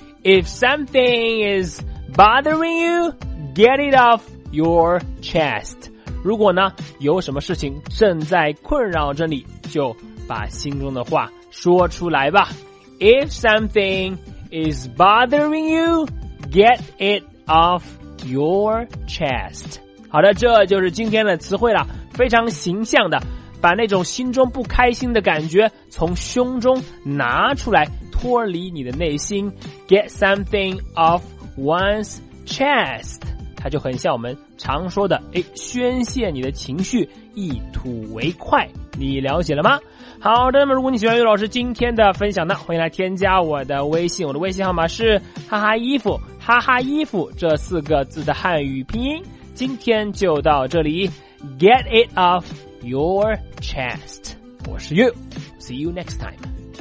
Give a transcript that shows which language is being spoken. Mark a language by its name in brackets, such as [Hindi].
[English] If something is bothering you, get it off your chest. [Chinese] 如果呢，有什么事情正在困扰着你，就把心中的话说出来吧。 [English] If something is bothering you, get it off your chest. [Chinese] 好的，这就是今天的词汇了，非常形象的，把那种心中不开心的感觉从胸中拿出来，脱离你的内心。 [English] Get something off one's chest. [Chinese] 它就很像我们常说的，宣泄你的情绪，一吐为快。你了解了吗？好的，那么如果你喜欢于老师今天的分享呢，欢迎来添加我的微信，我的微信号码是哈哈衣服，哈哈衣服这四个字的汉语拼音。今天就到这里， [English] Get it off your chest. [Chinese] 我是 [English] You, see you next time.